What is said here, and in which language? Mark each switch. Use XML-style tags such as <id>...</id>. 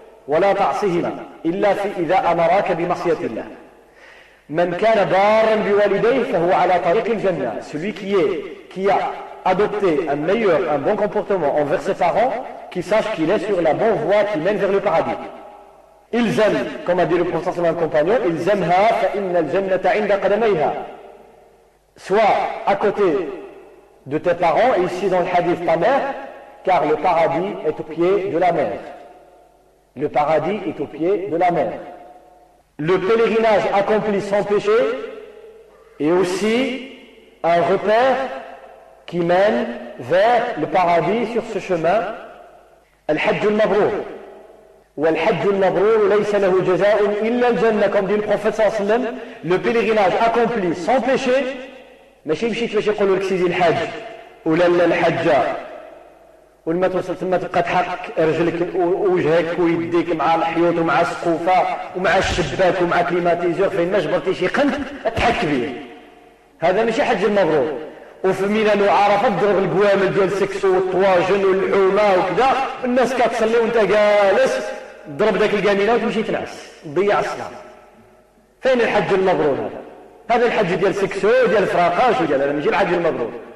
<ar>ولا تعصهما الا في اذا امرك بمعصيه الله من كان بارا بوالديه فهو على طريق الجنه.</ar> <fr>Celui qui a adopté un bon comportement envers ses parents, qui sache qu'il est sur la bonne voie qui mène vers le paradis. الزم, comme a dit le prophète et un compagnon,</fr> <ar>الزمها فان الجنه عند قدميها.</ar> <fr>Soit à côté de tes parents, et ici dans le hadith ta mère, car le paradis est au pied de la mère. Le paradis est au pied de la mer. Le pèlerinage accompli sans péché est aussi un repère qui mène vers le paradis sur ce chemin.</fr> <ar>Al-Hajj al-Mabrur. والحج المبرور ليس له جزاء الا الجنه كما قال النبي صلى الله عليه وسلم</ar> <fr>لو بيليغيناج اكومبلي سون بيشي</fr> <ar>ماشي مشيت باش يقولوا لك سيدي الحاج ولا لا الحجه ولما توصل تما تبقى تحك رجلك ووجهك ويديك مع الحيوط ومع السقوفه ومع الشباك ومع كليماتيزور فين ما جبرتي شي قنت تحك فيه هذا ماشي حج المبرور وفي مينا لو عرفت ضرب القوامل ديال السكسو والطواجن والحومه وكذا الناس كتصلي وانت جالس ضرب داك القنينه وتمشي تنعس ضيع الصلاه فين الحج المبرور هذا الحج ديال السكسو ديال الفراقاش وديال هذا ماشي الحج المبرور</ar>